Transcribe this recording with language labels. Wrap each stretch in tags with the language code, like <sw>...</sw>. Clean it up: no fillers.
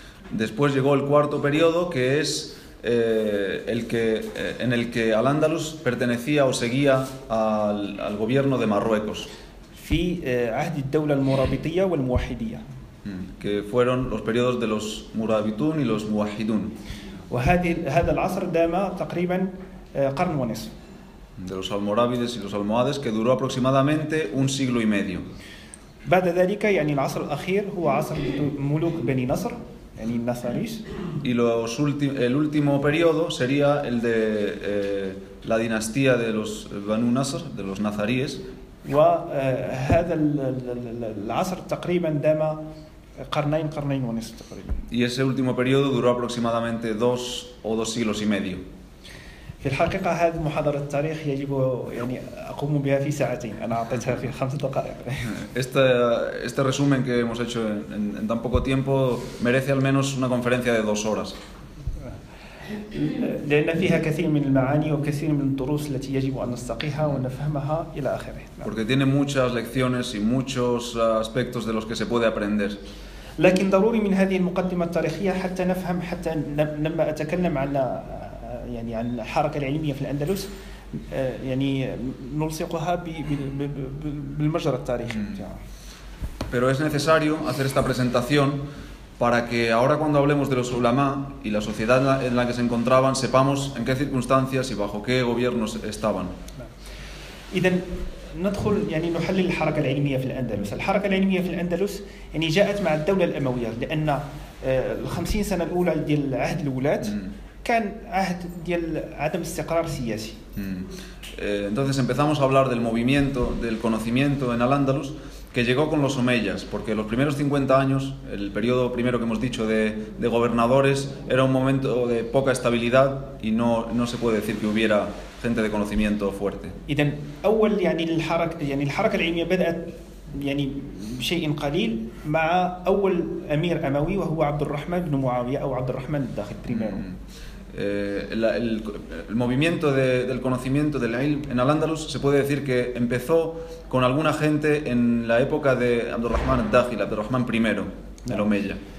<es>Después llegó el cuarto periodo, que es el que en el que Al-Andalus pertenecía o seguía al gobierno de Marruecos.</es> <ar>في عهد الدولة المرابطية والموحدية.</ar> <es>Que fueron los periodos de los Murabitun y los Muwahhidun.</es> <ar>وهذا العصر دام تقريبا قرن ونصف.</ar> <es>De los almorávides y los almohades, que duró aproximadamente un siglo y medio.</es> <ar>بعد ذلك يعني العصر الأخير هو عصر ملوك بني نصر, يعني النصاريس.</ar> <es>Y el último periodo sería el de la dinastía de los Banu Nasr, de los nazaríes.</es> <ar>وهذا العصر تقريبا دام قرنين قرنين ونصف تقريبا.</ar> <es>Y ese último periodo duró aproximadamente dos o dos siglos y medio.</es> <ar>في الحقيقة هذه محاضرة التاريخ يجب يعني أقوم بها في ساعتين, أنا أعطيتها في خمس دقائق.</ar> <es>Este resumen que hemos hecho en tan poco tiempo merece al menos una conferencia de dos horas.</es> <ar>لأن فيها كثير من المعاني وكثير من الدروس التي يجب أن نستقيها ونفهمها إلى آخره.</ar> <es>Porque tiene muchas lecciones y muchos aspectos de los que se puede aprender.</es> <ar>لكن ضروري من هذه المقدمة التاريخية حتى نفهم, حتى لما أتكلم عن يعني عن الحركة العلمية في الأندلس, يعني نلصقها بالمجرى التاريخي نتاعها.</ar> <es>Pero es necesario hacer esta presentación para que ahora cuando hablemos de los ulama y la sociedad en la que se encontraban sepamos en qué circunstancias y bajo qué gobiernos estaban.</es> <ar>إذن ندخل يعني نحلل الحركة العلمية في الأندلس. الحركة العلمية في الأندلس يعني جاءت مع الدولة الأموية لأن الخمسين سنة الأولى ديال عهد الولاة كان عهد ديال عدم استقرار سياسي.</ar> <es>Entonces empezamos a hablar del movimiento del conocimiento en Al-Andalus que llegó con los omeyas, porque los primeros 50 años, el periodo primero que hemos dicho de gobernadores, era un momento de poca estabilidad y no se puede decir que hubiera gente de conocimiento fuerte.</es> <ar>إذن أول يعني الحركة يعني الحركة العلمية بدأت يعني شيء قليل مع أول أمير أموي وهو عبد الرحمن بن معاوية أو عبد الرحمن الداخل</ar> <es>primero. El movimiento del conocimiento del ilm en Al-Andalus se puede decir que empezó con alguna gente en la época de Abdurrahman al-Dakhil, Abdurrahman I, el Omeya.</es>